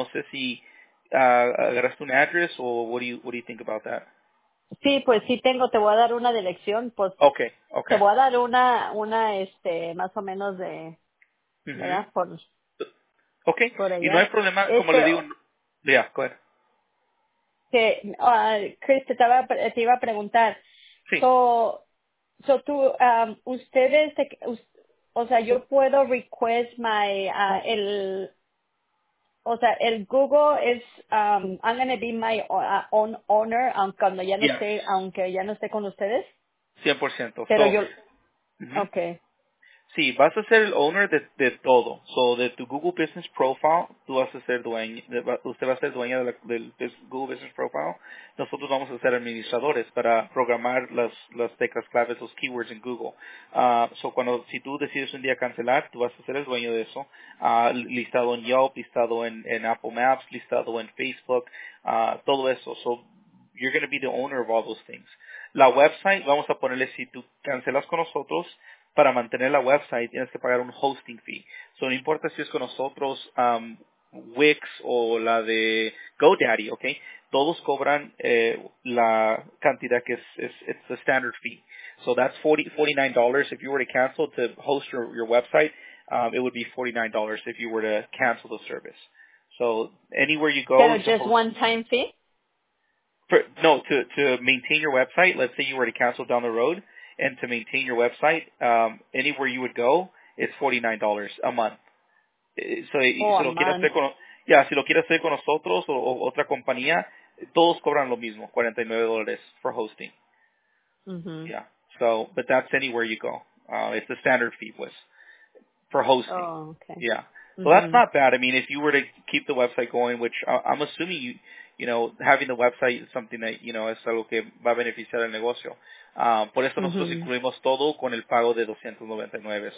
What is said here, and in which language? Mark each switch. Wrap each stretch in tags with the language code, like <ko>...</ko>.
<es>No sé si agarraste un address o</es> <en>what do you think about that?</en> <es>Sí, pues sí tengo. Te voy a dar una dirección. Pues,</es> <en>okay.</en> <es>Te voy a dar una más o menos de, ¿verdad? Por,</es> <en>okay.</en> <es>Por allá. Y no hay problema, como le digo.</es> <en>Ya, yeah, go ahead.</en> <es>Que Chris te iba a preguntar. Sí. So tú ustedes o sea, yo puedo request my el Google es</es> <en>I'm going to be my own owner</en> <es>cuando ya no esté, aunque ya no esté con ustedes.</es> <en>100%.</en> <es>Pero</es> <en>so,</en> <es>yo okay. Sí, vas a ser el owner de todo. So, de tu Google Business Profile, tú vas a ser dueño. Usted va a ser dueña del Google Business Profile. Nosotros vamos a ser administradores para programar las teclas claves, los keywords en Google. Si tú decides un día cancelar, tú vas a ser el dueño de eso. Listado en Yelp, listado en Apple Maps, listado en Facebook, todo eso.</es> <en>So, you're going to be the owner of all those things.</en> <es>La website, vamos a ponerle, si tú cancelas con nosotros, para mantener la website tienes que pagar un hosting fee. So, no importa si es con nosotros, Wix o la de GoDaddy, ¿ok? Todos cobran la cantidad que es</es> <en>the standard fee. So, that's $49. If you were to cancel to host your website, it would be $49 if you were to cancel the service. So, anywhere you go. So, just one-time fee? To maintain your website, let's say you were to cancel down the road, and to maintain your website, anywhere you would go, it's $49 a month. Si lo quieres hacer con nosotros o otra compañía, todos cobran lo mismo, $49 for hosting. Mm-hmm. Yeah. So, but that's anywhere you go. It's the standard fee was for hosting. Oh, okay. Yeah. Mm-hmm. So that's not bad. I mean, if you were to keep the website going, which I'm assuming you know, having the website is something that, you know,</en> <es>es algo que va a beneficiar el negocio. Por eso nosotros incluimos todo con el pago de $299.</es>